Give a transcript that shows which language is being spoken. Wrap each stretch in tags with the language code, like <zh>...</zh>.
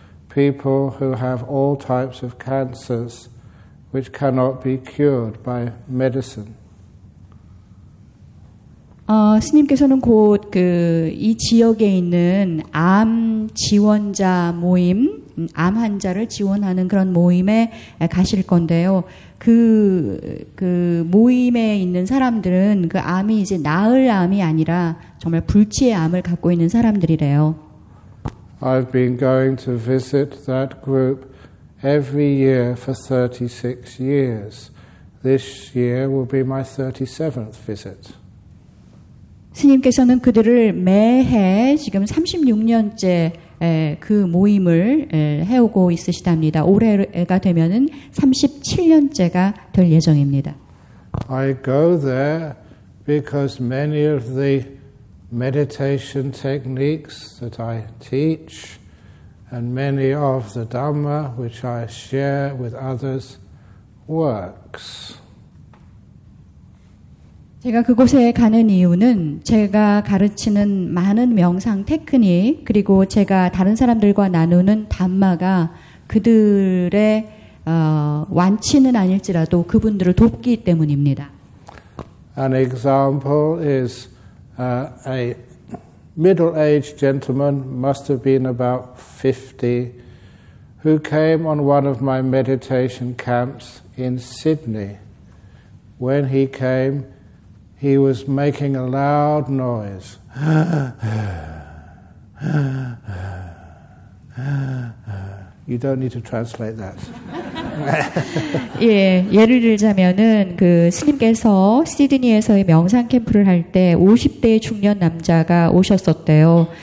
<en>People who have all types of cancers which cannot be cured by medicine.</en> <ko>스님께서는 곧 그 이 지역에 있는 암 지원자 모임, 암 환자를 지원하는 그런 모임에 가실 건데요. 그 모임에 있는 사람들은 그 암이 이제 나을 암이 아니라 정말 불치의 암을 갖고 있는 사람들이래요.</ko> <en>I've been going to visit that group every year for 36 years. This year will be my 37th visit.</en> <ko>스님께서는 그들을 매해 지금 36년째 그 모임을 해오고 있으시답니다. 올해가 되면은 37년째가 될 예정입니다.</ko> <en>I go there because many of the meditation techniques that I teach and many of the Dhamma which I share with others works.</en> <ko>제가 그곳에 가는 이유는 제가 가르치는 많은 명상 테크닉 그리고 제가 다른 사람들과 나누는 담마가 그들의 완치는 아닐지라도 그분들을 돕기 때문입니다.</ko> <en>An example is a middle-aged gentleman, must have been about 50, who came on one of my meditation camps in Sydney. When he came, he was making a loud noise. You don't need to translate that.</en> <ko>예, 예를 들자면은 그 스님께서 시드니에서의 명상 캠프를 할 때 50대 중년 남자가 오셨었대요.</ko>